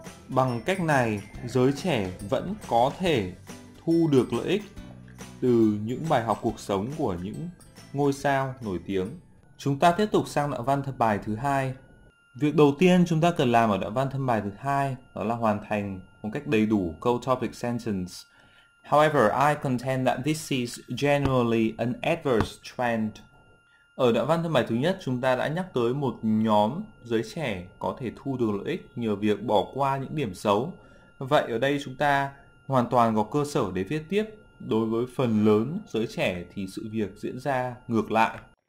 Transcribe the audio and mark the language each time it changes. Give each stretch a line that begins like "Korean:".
Vietnamese: Bằng cách này, giới trẻ vẫn có thể thu được lợi ích từ những bài học cuộc sống của những ngôi sao nổi tiếng. Chúng ta tiếp tục sang đoạn văn thân bài thứ hai. Việc đầu tiên chúng ta cần làm ở đoạn văn thân bài thứ hai đó là hoàn thành một cách đầy đủ câu topic sentence.
English: However, I contend that this is generally an adverse trend.
Vietnamese: Ở đoạn văn thân bài thứ nhất, chúng ta đã nhắc tới một nhóm giới trẻ có thể thu được lợi ích nhờ việc bỏ qua những điểm xấu. Vậy ở đây chúng ta hoàn toàn có cơ sở để viết tiếp. Đối với phần lớn giới trẻ thì sự việc diễn ra ngược lại.